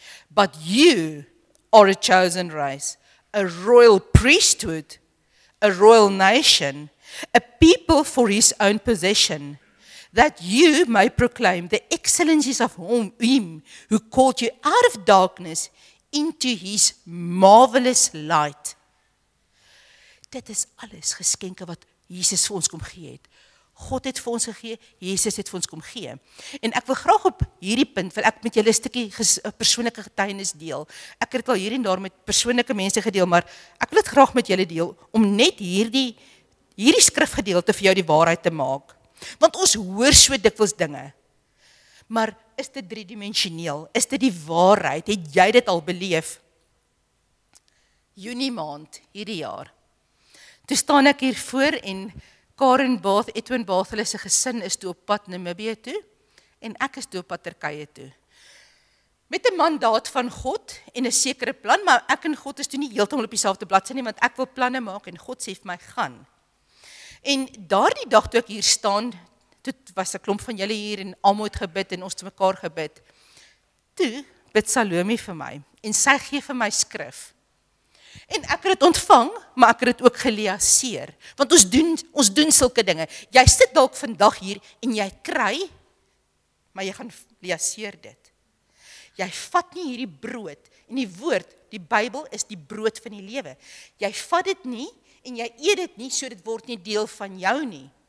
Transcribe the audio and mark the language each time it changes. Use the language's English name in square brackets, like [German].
[English] But you are a chosen race, a royal priesthood, a royal nation, a people for his own possession, that you may proclaim the excellencies of him who called you out of darkness into his marvelous light. [Afrikaans] Dit is alles geskenke wat Jesus vir ons kom gee het. God het vir ons gegee, Jesus het vir ons kom gee. En ek wil graag op hierdie punt, wil ek met julle een stukkie persoonlike getuienis deel. Ek het al hier en daar met persoonlike mense gedeel, maar ek wil dit graag met julle deel, om net hierdie skrifgedeelte vir jou die waarheid te maak. Want ons hoor so dikwels dinge. Maar is dit driedimensioneel? Is dit die waarheid? Het jy dit al beleef? Junie maand, hierdie jaar. Toe staan ek hier voor en Karen Bath, Edwin Bath, hulle se gesin is toe op pad Namibië toe en ek is toe op pad Turkye toe. Met 'n mandaat van God en 'n sekere plan, maar ek en God is toe nie heeltemal op dieselfde bladsy nie, want ek wil planne maak en God sê vir my gaan. En daardie dag toe ek hier staan, toe was 'n klomp van julle hier en almal het gebid en ons het mekaar gebid. Toe bid Salome vir my en sy gee vir my skrif. En ek het dit ontvang, maar ek het dit ook geliaseer. Want ons doen sulke dinge. Jy sit dalk vandag hier en jy kry, maar jy gaan liaseer dit. Jy vat nie hierdie brood en die woord, die Bybel is die brood van die lewe. Jy vat dit nie en jy eet dit nie, so dit word nie deel van jou nie.